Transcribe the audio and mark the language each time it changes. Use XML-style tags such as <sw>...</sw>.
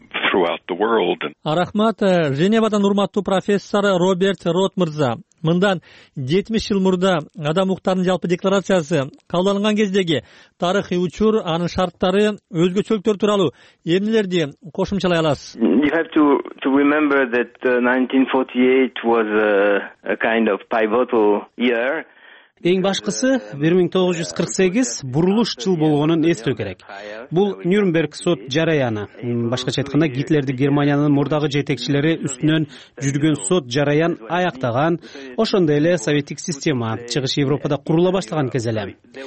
<en>Throughout the world.</en> <ky>Рахмат, Женевадан урматтуу профессор Роберт Рот мырза. Мындан 70 жыл мурда адам укуктарынын жалпы декларациясы кабылданган кездеги тарыхый учур, анын шарттары, өзгөчөлүктөр тууралуу эмнелерди кошумчалай аласыз?</ky> <en>You have to remember that 1948 was a kind of pivotal year.</en> <ky>Эң башкысы 1948 бурулуш жыл болгонун эстөө керек. Бул Нюрнберг сот жараяны, башкача айтканда Гитлерди Германиянын мурдагы жетекчилери үстүнөн жүргөн сот жараян аяктаган, ошондой эле советтик система Чыгыш Европада курула баштаган кез эле.</ky>